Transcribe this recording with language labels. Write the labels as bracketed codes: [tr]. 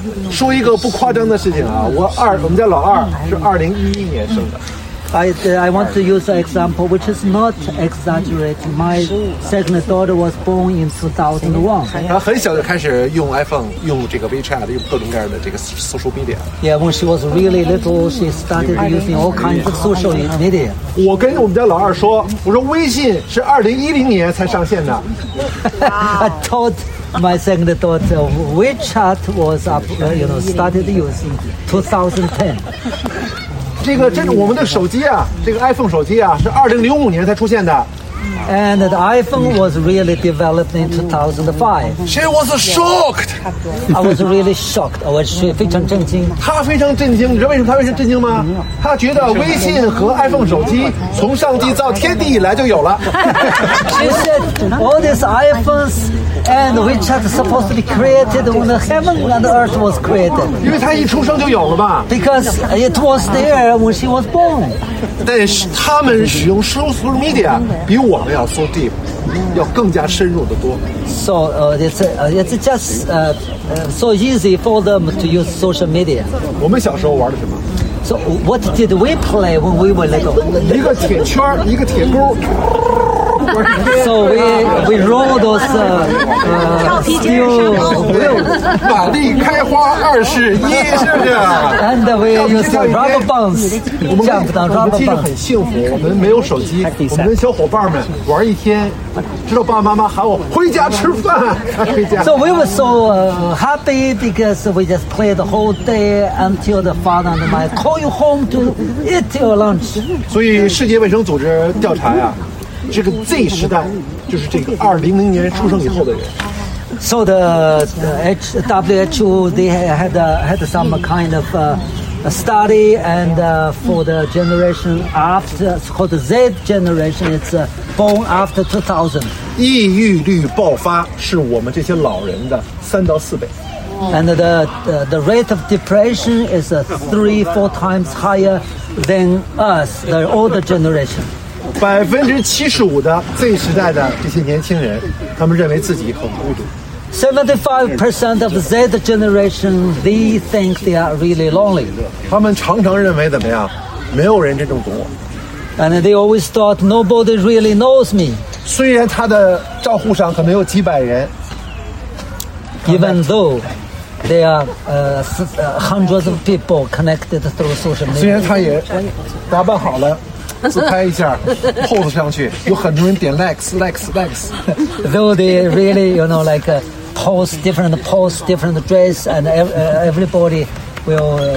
[zh] 说一个不夸张的事情啊，我们家老二是2011年生的。 [en] I want to use an example which is not exaggerated. My second daughter was born in 2001. [zh] 她很小就开始用 iPhone, 用这个 WeChat, 用各种各样的这个 social media. [en] Yeah, when she was really little, she started using all kinds of social media. [zh] 我跟我们家老二说，我说微信是2010年才上线的。 [en] I told my second daughter WeChat was up, you know, started using 2010. [zh] 这个我们的手机啊，这个 iPhone 手机啊，是2005年才出现的。 [en] And the iPhone was really developed in 2005. She was shocked. I was really shocked. [zh] 我是非常震惊。她非常震惊，你知道为什么她非常震惊吗？她觉得微信和 iPhone 手机从上帝造天地以来就有了。 [en] She said all these iPhones and WeChat supposed to be created when the heaven and earth was created. [zh] 因为她一出生就有了吧 [en] ？Because it was there when she was born. [zh] 但是他们使用 social media 比我们要 [en] so deep, [zh] 要更加深入的多。 [en] So it's just so easy for them to use social media. [zh] 我们小时候玩的什么？ [en] So what did we play when we were little? [zh] 一个铁圈，一个铁钩。 [en] So we roll those steel wheels. [zh] 马力开花二是一，是不是 [en] ？And we use rubber bands. [zh] 我们听着很幸福，我们没有手机，我们跟小伙伴们玩一天，知道爸爸妈妈喊我回家吃饭，回家。 [en] So we were so happy because we just played the whole day until the father and my call you home to eat your lunch. [zh] 所以世界卫生组织调查呀，这个 Z 时代就是这个2000年出生以后的人。 [en] So the WHO they had some kind of study and for the generation after, it's called the Z generation, it's born after 2000. [zh] 抑郁率爆发是我们这些老人的3到4倍。 [en] And the rate of depression is 3-4 times higher than us, the older generation. [zh] 75%的 Z 时代的这些年轻人，他们认为自己很孤独。 [en] 75% of Z generation, they think they are really lonely. [zh] 他们常常认为怎么样？没有人真正懂我。 [en] And they always thought nobody really knows me. [zh] 虽然他的账户上可能有几百人。 [en] Even though there are hundreds of people connected through social media. [zh] 虽然他也打扮好了。自拍一下 ，pose 上去，有很多人点 likes。 [en] Though they really, you know, like pose, different dress, and everybody will.